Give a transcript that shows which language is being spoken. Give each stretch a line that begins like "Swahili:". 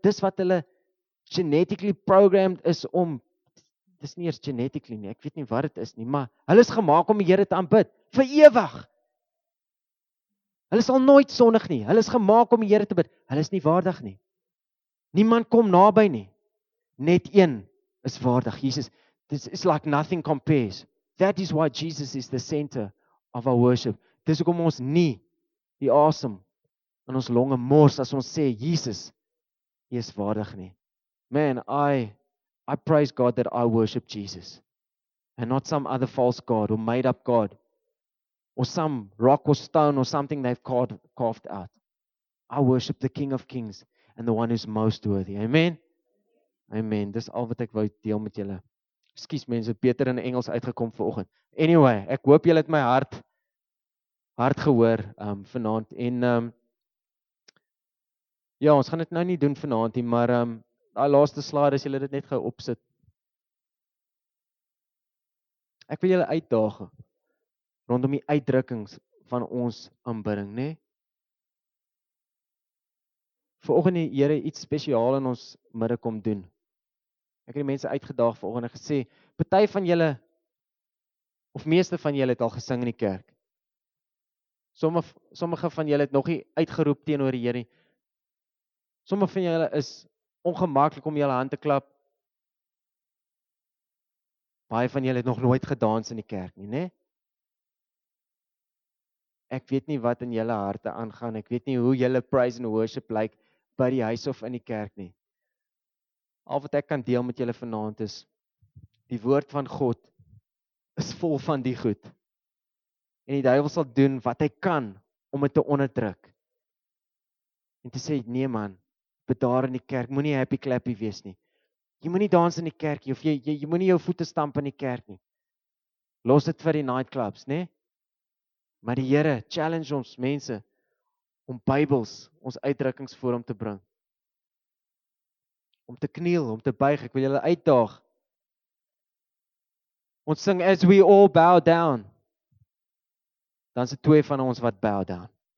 Afrikaans: Dis wat hulle genetically programmed is om, dis nie eers genetically nie, ek weet nie wat dit is nie, maar hulle is gemaak om die Here te aanbid, vir ewig. Hulle sal nooit sondig nie, hulle is gemaak om die Here te bid. Hulle is nie waardig nie. Niemand kom naby nie. Net een is waardig, Jesus.
English: This is like nothing compares. That is why Jesus is the center of our worship.
Afrikaans: Dis hoekom ons nie die asem in ons longe mors as ons sê Jesus is waardig nie.
English: Man, I praise God that I worship Jesus and not some other false god or made up god or some rock or stone or something they've carved out. I worship the King of Kings and the one who's most worthy. Amen. Amen.
Afrikaans: Dis al wat ek wou deel met julle. Skus mense, Peter in Engels uitgekom vanoggend. Anyway, ek hoop julle het my hart gehoor vanaand en ja, ons gaan dit nou nie doen vanaand nie, maar daai laaste slide as julle dit net gou opsit. Ek wil julle uitdaag rondom die uitdrukkings van ons aanbidding, né? Vanoggend die Here iets spesiaal in ons midde kom doen. Ek het die mense uitgedaag vanoggend en gesê, party van julle, of meeste van julle het al gesing in die kerk. Sommige van julle het nog nie uitgeroep teenoor die Here. Sommige van julle is ongemaklik om julle hand te klap. Baie van julle het nog nooit gedans in die kerk nie, né? Ek weet nie wat in julle harte aangaan, ek weet nie hoe julle
English: praise and worship
Afrikaans: lyk by die huis of in die kerk nie. Al wat ek kan deel met julle vanaand is, die woord van God is vol van die goed. En die duivel sal doen wat hy kan om dit te onderdruk. En te sê, nee man, bedaar in die kerk, moenie happy clappy wees nie. Jy moenie dans in die kerk nie, of jy moenie jou voete stamp in die kerk nie. Los dit vir die nightclubs, nee? Maar die Here challenge ons mense om Bybels, ons uitdrukkings voor hom te bring. Om te kniel, om te buig, ek wil julle uitdaag. Ons sing
English: as we all bow down.
Afrikaans: Dan is het twee van ons wat bow down.